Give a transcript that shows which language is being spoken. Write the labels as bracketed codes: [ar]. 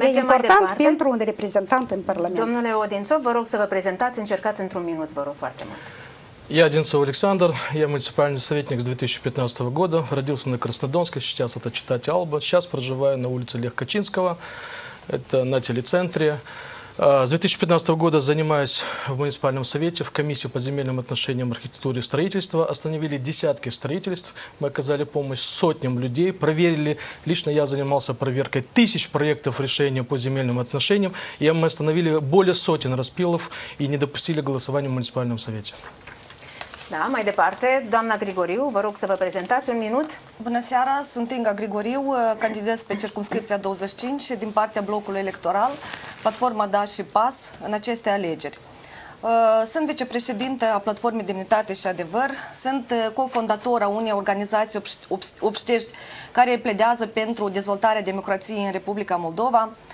[ro] E important pentru un reprezentant în Parlament. Domnule Odințov, vă rog să vă prezentați, încercați într-un minut, vă rog foarte mult. [ru] Я Одинцов Александр, я муниципальный советник с 2015 года, родился на Краснодонской, сейчас это читать Алба, сейчас проживаю на улице Лех-Качинского, это на телецентре. С 2015 года занимаюсь в муниципальном совете, в комиссии по земельным отношениям, архитектуре и строительства. Остановили десятки строительств, мы оказали помощь сотням людей, проверили. Лично я занимался проверкой тысяч проектов решения по земельным отношениям. И мы остановили более сотен распилов и не допустили голосования в муниципальном совете. [ro] Da, mai departe, doamna Grigoriu, vă rog să vă prezentați un minut. Bună seara, sunt Inga Grigoriu, candidez pe circumscripția 25 din partea blocului electoral, platforma DA și PAS, în aceste alegeri. Sunt vicepreședintă a platformei Demnitate și Adevăr, sunt cofondatora unei organizații obștești care pledează pentru dezvoltarea democrației în Republica Moldova.